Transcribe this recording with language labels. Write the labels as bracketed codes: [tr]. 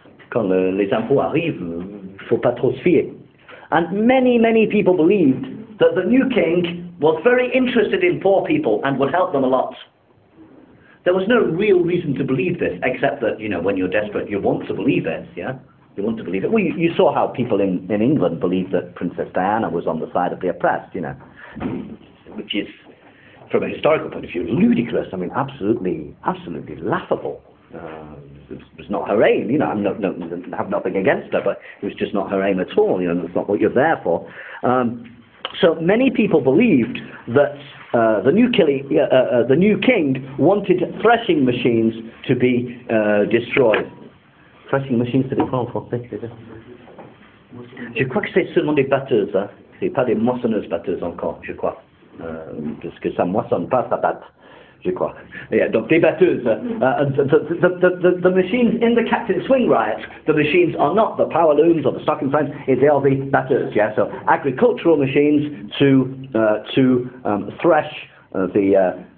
[fr] Quand les infos arrivent, faut pas trop se fier. [en] And many, many people believed that the new king was very interested in poor people and would help them a lot. There was no real reason to believe this, except that, you know, when you're desperate, you want to believe it, yeah? You want to believe it. Well, you saw how people in England believed that Princess Diana was on the side of the oppressed, you know, which is, from a historical point of view, ludicrous. I mean, absolutely, absolutely laughable. It's not her aim, you know. I'm have nothing against her, but it was just not her aim at all. You know, that's not what you're there for. So many people believed that the new king wanted threshing machines to be destroyed. Threshing machines to be called for. [fr] Je crois que c'est seulement des batteuses, hein? C'est pas des moissonneuses batteuses encore, je crois. Parce que ça moissonne pas, ça batte. Je crois. Yeah, donc des batteuses. [en] The machines in the Captain Swing riots, the machines are not the power looms or the stocking frames, they are the batteuses. Yeah, so agricultural machines to thresh the.